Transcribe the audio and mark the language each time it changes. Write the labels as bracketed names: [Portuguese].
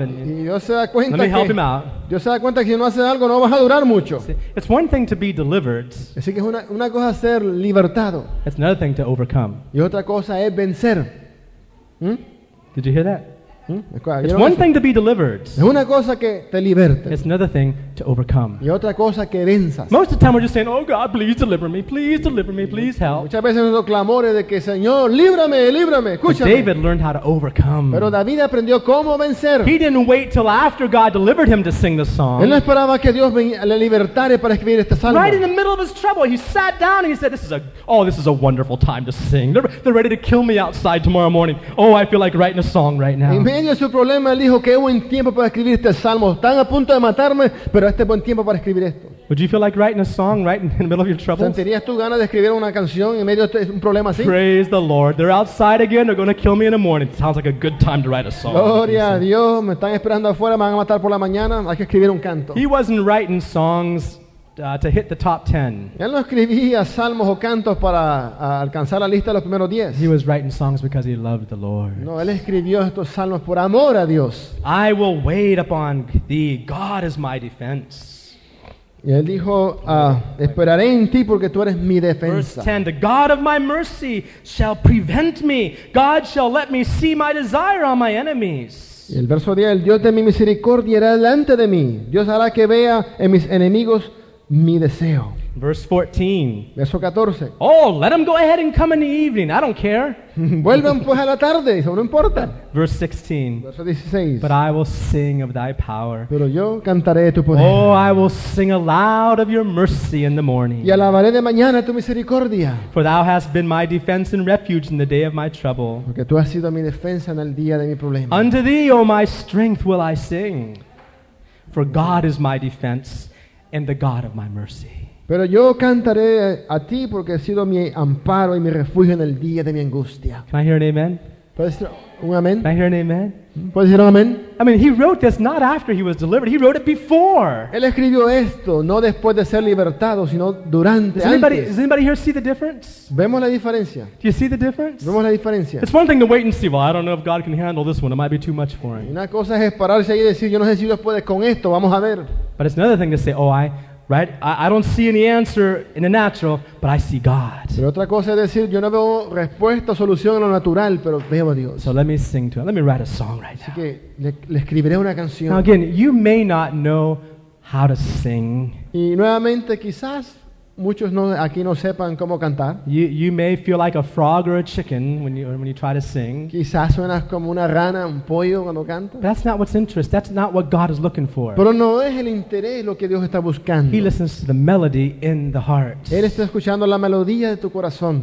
[English] And let me help him out. [Spanish] Dios se da cuenta que si no hace algo no vas a durar mucho. [English] It's one thing to be delivered. [Spanish] Así que es una cosa ser libertado. [English] It's another thing to overcome. [Spanish] Y otra cosa es vencer. [English] Did you hear that? It's one thing to be delivered. [Spanish] Es una cosa que te liberte. [English] It's another thing to overcome. [Spanish] Y otra cosa que venzas. [English] Most of the time we're just saying, oh God, please deliver me, please deliver me, please help. [Spanish] Muchas veces nos clamores de que Señor, líbrame, líbrame, escúchame. [English] But David learned how to overcome. [Spanish] Pero David aprendió cómo vencer. [English] He didn't wait till after God delivered him to sing the song. [Spanish] Él no esperaba que Dios le libertara para escribir este salmo. [English] Right in the middle of his trouble, he sat down and he said, this is a wonderful time to sing. They're ready to kill me outside tomorrow morning. Oh, I feel like writing a song right now. Amen. [Spanish] Su problema, él dijo que es buen tiempo para escribir este salmo. Están a punto de matarme, pero este es buen tiempo para escribir esto. [English] Would you feel like writing a song right in the middle of your troubles? [Spanish] ¿Sentirías tú ganas de escribir una canción en medio de un problema así? [English] Praise the Lord. They're outside again. They're going to kill me in the morning. It sounds like a good time to write a song. [Spanish] Gloria a Dios. Me están esperando afuera. Me van a matar por la mañana. Hay que escribir un canto. [English] He wasn't writing songs to hit the top 10. [Spanish] Él no escribía salmos o cantos para alcanzar la lista de los primeros 10. [English] He was writing songs because he loved the Lord. [Spanish] No, él escribió estos salmos por amor a Dios. [English] I will wait upon thee. God is my defense. [Spanish] Y él dijo, esperaré en ti porque tú eres mi defensa. [English] Verse 10, the God of my mercy shall prevent me. God shall let me see my desire on my enemies. [Spanish] Y el verso 10, el Dios de mi misericordia irá delante de mí. Dios hará que vea en mis enemigos mi deseo. [English] Verse 14. Oh, let them go ahead and come in the evening. I don't care. [Spanish] Vuelvan pues a la tarde. Eso no importa. [English] Verse 16. [Spanish] Verso 16. [English] But I will sing of thy power. [Spanish] Pero yo cantaré tu poder. [English] Oh, I will sing aloud of your mercy in the morning. [Spanish] Y alabaré de mañana tu misericordia. [English] For thou hast been my defense and refuge in the day of my trouble. [Spanish] Porque tú has sido mi defensa en el día de mi problema. [English] Unto thee, O my strength, will I sing. For God is my defense and the God of my mercy. [Spanish] Pero yo cantaré a ti porque has sido mi amparo y mi refugio en el día de mi angustia. [English] Can I hear an amen? [Spanish] ¿Puedes decir un amén? [English] Can I hear an amen? [Spanish] ¿Puedes decir un amén? [English] I mean, he wrote this not after he was delivered. He wrote it before. [Spanish] Él escribió esto no después de ser libertado, sino durante. [English] Does anybody here see the difference? [Spanish] ¿Vemos la diferencia? [English] Do you see the difference? [Spanish] ¿Vemos la diferencia? [English] It's one thing to wait and see. Well, I don't know if God can handle this one. It might be too much for him. [Spanish] Una cosa es pararse ahí y decir, yo no sé si Dios puede con esto. Vamos a ver. [English] But it's another thing to say, oh, I don't see any answer in the natural, but I see God. [Spanish] Pero otra cosa es decir, yo no veo respuesta o solución en lo natural, pero veo a Dios. [English] So let me sing to him. Let me write a song right now. [Spanish] Así que le escribiré una canción. [English] Now again, you may not know how to sing. [Spanish] Y nuevamente, quizás Muchos no, aquí no sepan cómo cantar. [English] You may feel like a frog or a chicken when you try to sing. [Spanish] Quizás suenas como una rana, un pollo cuando cantas. [English] But that's not what's interest. That's not what God is looking for. [Spanish] Pero no es el interés lo que Dios está buscando. [English] He listens to the melody in the heart. [Spanish] Él está escuchando la melodía de tu corazón.